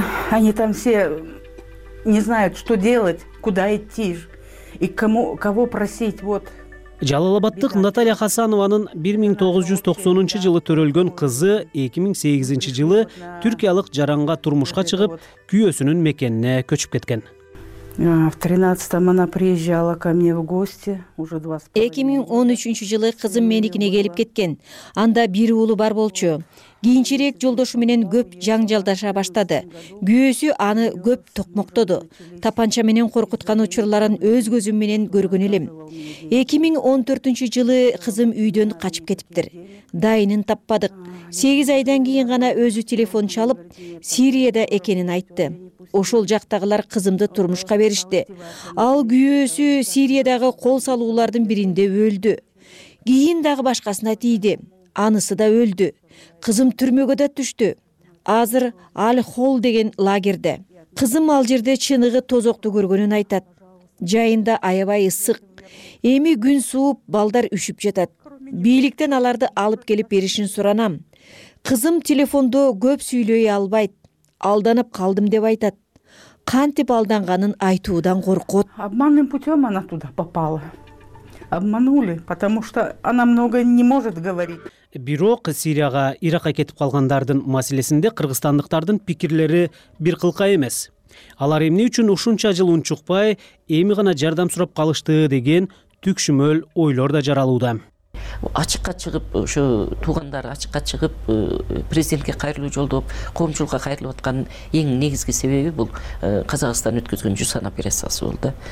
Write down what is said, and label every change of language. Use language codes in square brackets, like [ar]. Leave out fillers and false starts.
[ru] Они там все не знают, что делать, куда идти и кого просить вот. [ky] Жалалабаттык Наталья Хасанованын 1990 жылы төрөлгөн кызы 2008 жылы түркиялык жаранга турмушка чыгып, күйөөсүнүн мекенине көчүп кеткен. [ru] В 13-м она приезжала ко мне в гости. [ky] 2013 жылы кызым меникине келип кеткен. Анда бир уулу бар болчу. Кийинчерээк жолдошу менен көп жаңжалдаша баштады. Күйөөсү аны көп токмоктоду. Тапанча менен коркуткан учурларын өз көзүм менен көргөн элем. 2014 жылы кызым үйдөн качып кетиптир. Дайынын таппадык. 8 айдан кийин гана өзү телефон чалып, Сирияда экенин айтты. Ошол жактагылар кызымды турмушка беришти. Ал күйөөсү Сириядагы кол салуулардын биринде өлдү. Кийин дагы башкасына тийди. Анысы да өлдү. Кызым түрмөгө да түштү. Азыр Аль-Хол деген лагерде. Кызым ал жерде чыныгы тозокту көргөнүн айтат. Жайында аябай ысык. Эми күн сууп, балдар үшүп жатат. Бийликтен аларды алып келип беришин суранам. Кызым телефондо көп сүйлөй албайт. Алданып калдым деп айтат. Кантип алданганын айтуудан коркот. [ru] Обманным путём она туда попала. Обманули, потому что она много не может говорить. [ky] Бирок Сирияга Иракка кетип калгандардын маселесинде кыргызстандыктардын пикирлери бир кылка эмес. Алар эмне үчүн ушунча жыл унчукпай, эми гана жардам сурап калышты деген түкшүмөл ойлор да жаралууда. Ачыкка чыгып, ошо туугандары ачыкка чыгып, президентке кайрылуу жолдоп, коомчулукка кайрылып аткан эң негизги себеби бул Казакстан өткөзгөн жусан операциясы болду.